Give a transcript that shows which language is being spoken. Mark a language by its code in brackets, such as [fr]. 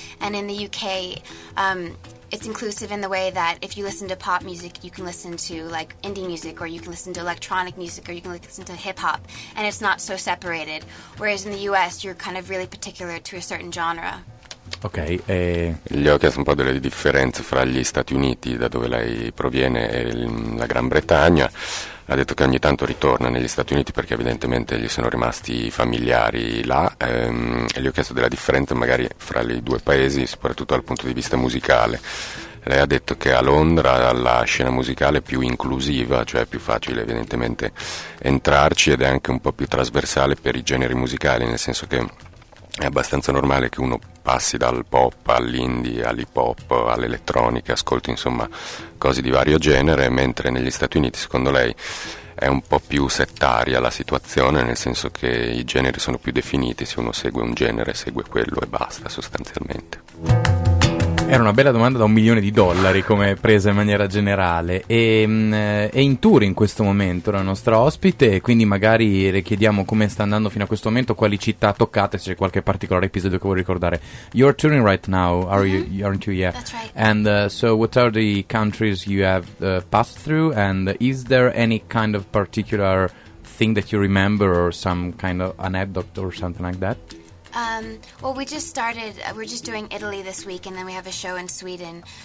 [en] And in the UK, it's inclusive in the way that if you listen to pop music, you can listen to like indie music, or you can listen to electronic music, or you can listen to hip hop, and it's not so separated. Whereas in the US, you're kind of really particular to a certain genre. [it] Ok, gli ho chiesto un po' delle differenze fra gli Stati Uniti, da dove lei proviene, e la Gran Bretagna. Ha detto che ogni tanto ritorna negli Stati Uniti perché evidentemente gli sono rimasti familiari là, e gli ho chiesto della differenza magari fra i due paesi, soprattutto dal punto di vista musicale. Lei ha detto che a Londra la scena musicale è più inclusiva, cioè è più facile evidentemente entrarci, ed è anche un po' più trasversale per i generi musicali, nel senso che è abbastanza normale che uno passi dal pop all'indie, all'hip hop, all'elettronica, ascolti insomma cose di vario genere, mentre negli Stati Uniti secondo lei è un po' più settaria la situazione, nel senso che i generi sono più definiti, se uno segue un genere segue quello e basta sostanzialmente. Era una bella domanda da $1 milioni, come presa in maniera generale. E è in tour in questo momento la nostra ospite, quindi magari le chiediamo come sta andando fino a questo momento, quali città ha toccato, se c'è qualche particolare episodio che vuoi ricordare. [en] You're touring right now, aren't you? Yeah. That's right. And so what are the countries you have passed through, and is there any kind of particular thing that you remember, or some kind of anecdote or something like that? Well, we just started, we're just doing Italy this week, and then we have a show in Sweden.